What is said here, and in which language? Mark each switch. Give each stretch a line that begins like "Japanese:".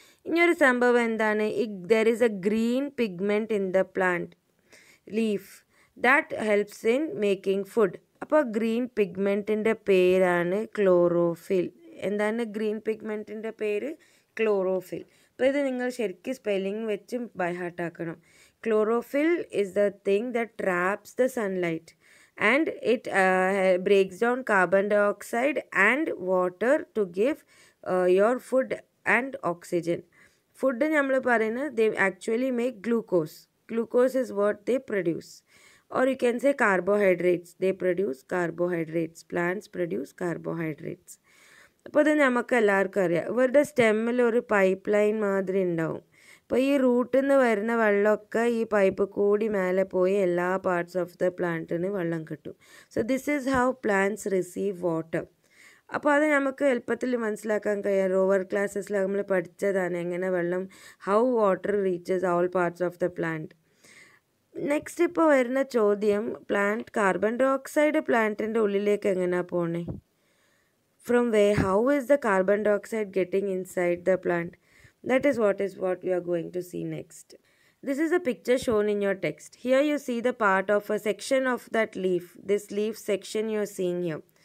Malayalam: ഇനിയൊരു സംഭവം എന്താണ്?
English: There is a green pigment in the plant leaf that helps in making food.
Malayalam: അപ്പോൾ green പിഗ്മെൻറ്റിൻ്റെ പേരാണ് ക്ലോറോഫിൽ. എന്താണ് ഗ്രീൻ പിഗ്മെൻറ്റിൻ്റെ പേര്? ക്ലോറോഫിൽ. അപ്പോൾ ഇത് നിങ്ങൾ ശരിക്കും സ്പെല്ലിംഗ് വെച്ചും by ഹാർട്ടാക്കണം.
English: Chlorophyll is the thing that traps the sunlight, and it breaks down carbon dioxide and water to give your food and oxygen. Food, they actually make glucose. Glucose is what they produce. Or you can say carbohydrates. They produce carbohydrates. Plants produce carbohydrates.
Malayalam: അപ്പോൾ ഇത് നമുക്കെല്ലാവർക്കും അറിയാം. ഇവരുടെ സ്റ്റെമ്മിൽ ഒരു pipe line മാതിരി ഉണ്ടാവും. അപ്പോൾ ഈ റൂട്ടിൽ നിന്ന് വരുന്ന വെള്ളമൊക്കെ ഈ പൈപ്പ് കൂടി മേലെ പോയി എല്ലാ പാർട്സ് ഓഫ് ദ പ്ലാന്റിന് വെള്ളം കിട്ടും.
English: So this is how plants receive water.
Malayalam: അപ്പോൾ അത് നമുക്ക് എളുപ്പത്തിൽ മനസ്സിലാക്കാൻ കഴിയാം. റോവർ ക്ലാസ്സസിൽ നമ്മൾ പഠിച്ചതാണ് എങ്ങനെ വെള്ളം,
English: How water reaches all parts of the plant.
Malayalam: Next ഇപ്പോൾ വരുന്ന ചോദ്യം, പ്ലാന്റ് കാർബൺ ഡയോക്സൈഡ് പ്ലാന്റിൻ്റെ ഉള്ളിലേക്ക് എങ്ങനെയാണ് പോണേ?
English: From where, how is the carbon dioxide getting inside the plant? That is what we are going to see next. This is a picture shown in your text. Here you see the part of a section of that leaf. This leaf section you are seeing here.